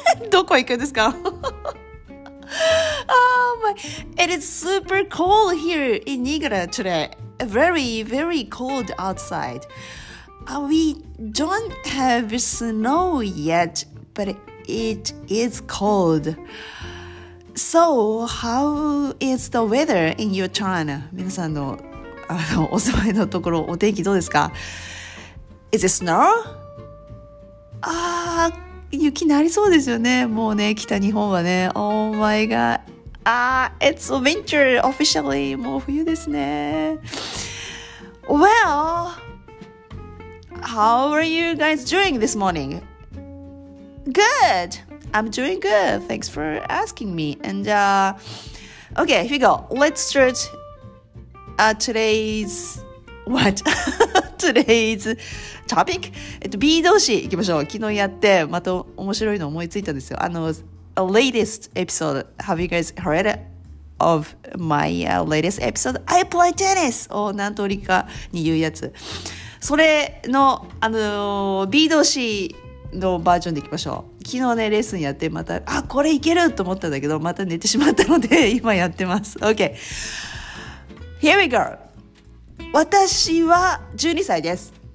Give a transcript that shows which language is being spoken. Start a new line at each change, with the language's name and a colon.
Japanese: どこ行くんですか?
English: Oh my, it is super cold here in Niigata today. Very, very cold outside. We don't have snow yet, but it is cold. So, how is the weather in your town?
Japanese: 皆さんの、あの、お住まいのところ、お天気どうですか?
English: Is it snow?
Japanese: Ah, 雪なりそうですよね。もうね、北日本はね。
English: Oh my god. Ah, it's winter officially.
Japanese: もう冬ですね。
English: Well, how are you guys doing this morning? Good! I'm doing good. Thanks for asking me. And, okay, here we go. Let's start today's... What? today's topic?
Japanese: 、be 動詞行きましょう。昨日やって、また面白いの思いついたんですよ。
English: A latest episode. Have you guys heard of my latest episode? I play tennis!
Japanese: を何通りかに言うやつ。それの、be 動詞のバージョンでいきましょう。昨日ね、レッスンやって、また、あ、これいけると思ったんだけど、また寝てしまったので、今やってます。
English: Okay. Here we go.
Japanese: 私は12歳です。